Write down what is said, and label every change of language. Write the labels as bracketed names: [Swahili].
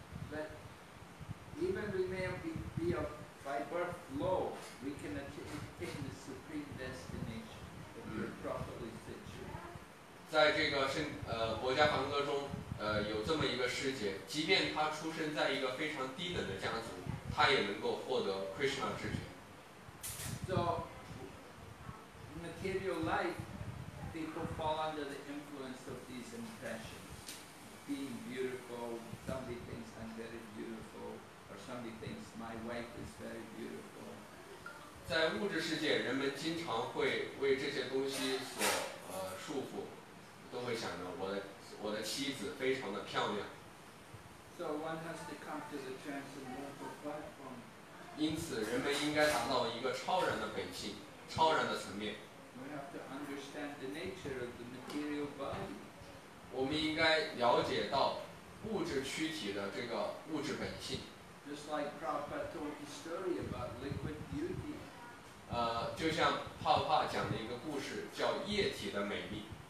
[English] But even we may be of, by birth low, we can attain the supreme destination if we're properly situated. [Chinese] 在这个圣国家梵歌中，有这么一个师姐，即便她出生在一个非常低等的家族，她也能够获得 Krishna 智觉。 [English] So, in material life, people fall under the influence of these impressions. Being beautiful, somebody thinks I'm very beautiful, or somebody thinks my wife is very beautiful. [Chinese] 在物质世界，人们经常会为这些东西所束缚，都会想着我的妻子非常的漂亮。 [English] So one has to come to the transcendental platform. [Chinese] 因此，人们应该达到一个超然的本性，超然的层面。 [English] We have to understand the nature of the material body. [Chinese] 我们应该了解到物质躯体的这个物质本性。 [English] Just like Prabhupada told his story about liquid beauty. [Chinese] 就像帕帕讲的一个故事，叫液体的美丽。